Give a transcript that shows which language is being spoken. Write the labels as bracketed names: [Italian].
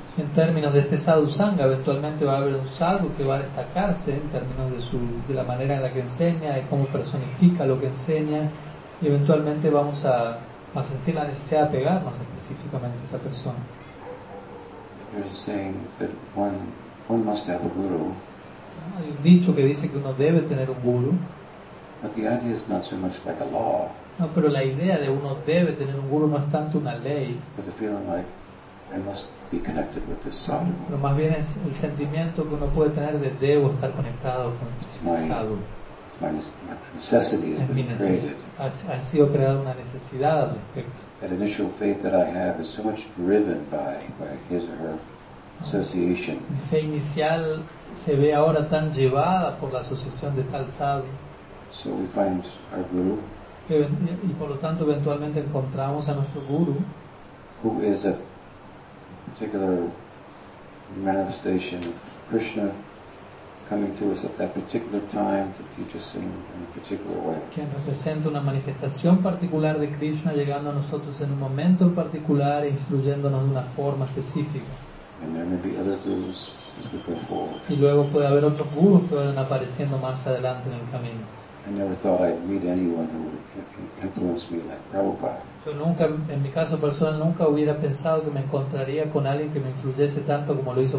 [Spanish] En términos de este sadhu sangha, eventualmente va a haber un sadhu que va a destacarse en términos de la manera en la que enseña y cómo personifica lo que enseña, y eventualmente vamos a sentir la necesidad de pegarnos específicamente a esa persona. [English] There's a saying that one must have a guru. [Spanish] Hay un dicho que dice que uno debe tener un guru. [English] But the idea is not so much like a law. [Spanish] No, pero la idea de uno debe tener un guru no es tanto una ley. [English] But the feeling like I must be connected with this sadhu. [Spanish] Pero más bien es el sentimiento que uno puede tener de debo estar conectado con el sadhu. [English] My necessity has been created. [Spanish] Ha sido creada una necesidad al respecto. [English] That initial faith that I have is so much driven by his or her association. [Spanish] Mi fe inicial se ve ahora tan llevada por la asociación de tal sadhu. [English] So we find our guru. [Spanish] Y por lo tanto eventualmente encontramos a nuestro guru. [English] Who is a particular manifestation of Krishna coming to us at that particular time to teach us in a particular way. [Spanish] Quien representa una manifestación particular de Krishna llegando a nosotros en un momento particular e instruyéndonos de una forma específica. [English] And there may be other gurus as we go forward. [Spanish] Y luego puede haber otros gurus que vayan apareciendo más adelante en el camino. [English] I never thought I'd meet anyone who would influence me like Prabhupada. [Spanish] Yo nunca, en mi caso personal, nunca hubiera pensado que me encontraría con alguien que me influyese tanto como lo hizo